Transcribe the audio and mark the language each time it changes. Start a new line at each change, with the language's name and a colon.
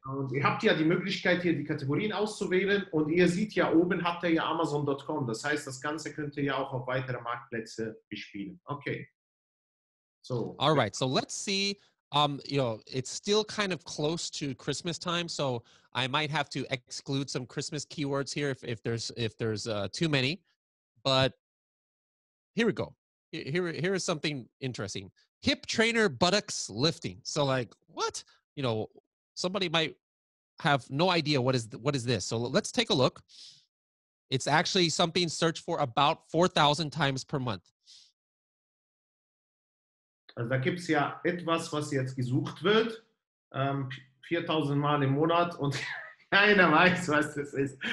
German: Und ihr habt ja die Möglichkeit, hier die Kategorien auszuwählen. Und ihr seht ja, oben habt ihr ja Amazon.com. Das heißt, das Ganze könnt ihr ja auch auf weitere Marktplätze bespielen. Okay.
English: So. All right. So let's see. You know, it's still kind of close to Christmas time. So I might have to exclude some Christmas keywords here if there's too many. But here we go. Here is something interesting. Hip trainer buttocks lifting. So like, what? You know, somebody might have no idea what is this. So let's take a look. It's actually something searched for about 4,000 times per month.
German: Also da gibt's ja etwas, was jetzt gesucht wird. 4000 Mal im Monat und keiner weiß, was das ist.